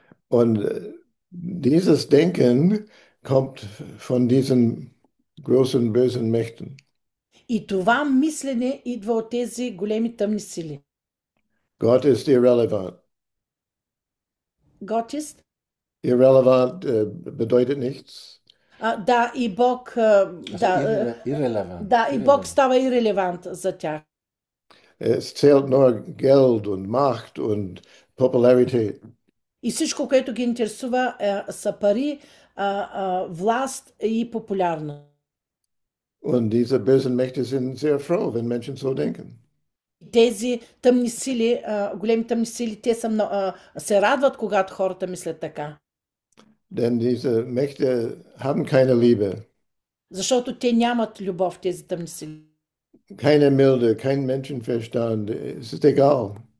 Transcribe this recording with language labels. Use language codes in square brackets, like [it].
[de] Und dieses Denken kommt von diesen großen bösen Mächten. [bg] И това мислене идва от тези големи тъмни сили. [de] Gott ist irrelevant. Gott ist. Irrelevant bedeutet nichts. [bg] Да, и Бог, Also да, и Бог [de] irrelevant. [bg] става ирелевант за тях. [de] Es zählt nur Geld und Macht und Popularität. [bg] И всичко, което ги интересува, са пари, власт и популярност. [de] Und diese bösen Mächte sind sehr froh, wenn Menschen so denken. [bg] Тези тъмни сили, големи тъмни сили, те са се радват, когато хората мислят така. [de] Denn diese Mächte haben keine Liebe, [bg] Защото те нямат любов, тези тъмни сили. [de] keine Milde, kein Menschenverstand. Es ist egal.